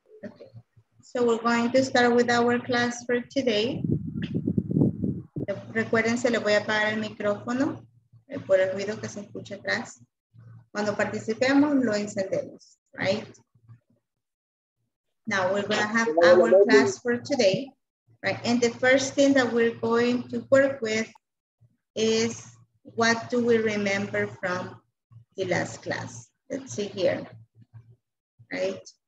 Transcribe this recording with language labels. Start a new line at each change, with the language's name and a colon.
English: Okay. So we're going to start with our class for today.
Spanish: Recuérdense, le voy a apagar el micrófono por el ruido que se escucha atrás. Cuando participemos, lo encendemos, right?
English: Now we're going to have our class for today. Right. And the first thing that we're going to work with is what do we remember from the last class? Let's see here. Right.